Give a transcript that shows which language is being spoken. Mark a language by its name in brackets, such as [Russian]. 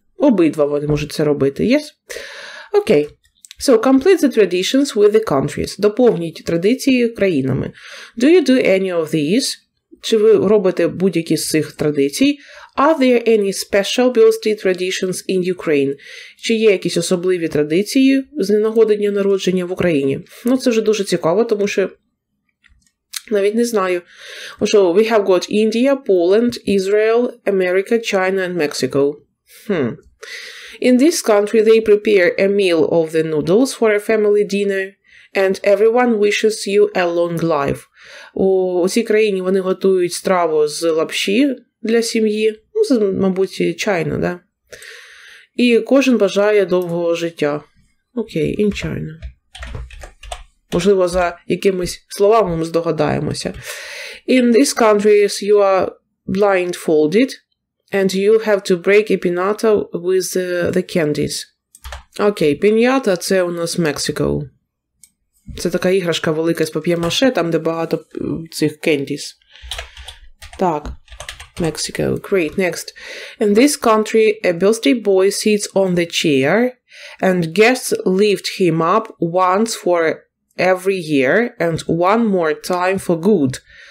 [Ukrainian] Обидва вони можуть це робити, yes? Окей. [English] Okay. So, complete the traditions with the countries. [Ukrainian] Доповніть традиції країнами. [English] Do you do any of these? [Ukrainian] Чи ви робите будь-які з цих традицій? [English] Are there any special birthday traditions in Ukraine? [Ukrainian] Чи є якісь особливі традиції з нагоди дня народження в Україні? Ну, це вже дуже цікаво, тому що навіть не знаю. [English] So, we have got India, Poland, Israel, America, China and Mexico. Hmm. In this country, they prepare a meal of the noodles for a family dinner, and everyone wishes you a long life. [Ukrainian] У цій країні вони готують страву з лапші для сім'ї, ну, це, мабуть, China, да? І кожен бажає довгого життя. [English] Окей, okay, in China. [Ukrainian] Можливо, за якимись словами ми здогадаємося. [English] In this country, you are blindfolded, and you have to break a piñata with the candies. [Ukrainian] Окей, okay, piñata – це у нас Мексико. Це така іграшка велика з пап'є-маше, там, де багато цих candies. Так, Мексико. [English] Great, next. In this country, a birthday boy sits on the chair, and guests lift him up once for every year, and one more time for good.